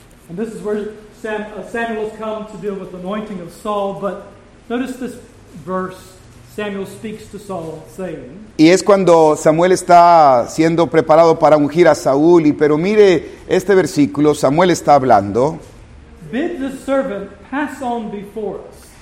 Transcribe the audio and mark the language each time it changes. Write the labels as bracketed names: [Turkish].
[English] And this is where Samuel has come to deal with the anointing of Saul, but notice this verse. Samuel speaks to Saul, saying. [Spanish] Y es cuando Samuel está siendo preparado para ungir a Saúl. Pero mire este versículo. Samuel está hablando. [English] Bid the servant pass on before us.